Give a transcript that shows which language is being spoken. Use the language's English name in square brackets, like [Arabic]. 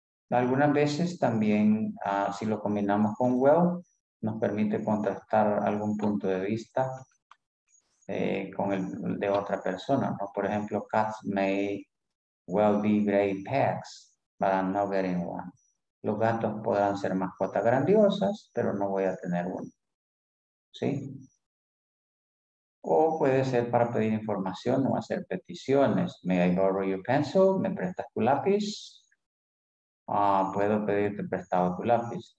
[Spanish] Algunas veces también, si lo combinamos con well, nos permite contrastar algún punto de vista con el de otra persona, ¿no? Por ejemplo, [English] cats may well be great pets, but I'm not getting one. [Spanish] Los gatos podrán ser mascotas grandiosas, pero no voy a tener uno. ¿Sí? O puede ser para pedir información o hacer peticiones. [English] May I borrow your pencil? [Spanish] ¿Me prestas tu lápiz? Puedo pedirte prestado tu lápiz.